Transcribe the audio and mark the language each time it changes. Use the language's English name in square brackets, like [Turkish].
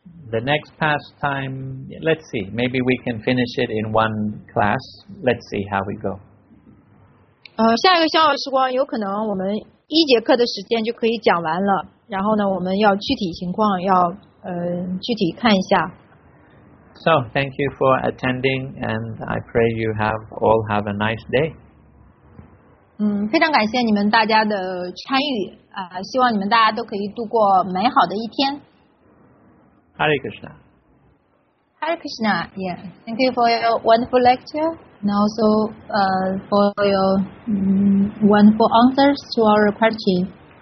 [English] The next pastime, let's see, maybe we can finish it in one class. Let's see how we go. [Chinese] 下一个小小时光有可能我们一节课的时间就可以讲完了，然后呢，我们要具体情况要具体看一下。 [English] So, thank you for attending, and I pray you have all have a nice day. [Chinese] 非常感谢你们大家的参与啊，希望你们大家都可以度过美好的一天。 [English] Hare Krishna. Hare Krishna. Yeah. Thank you for your wonderful lecture, and also for your wonderful answers to our question.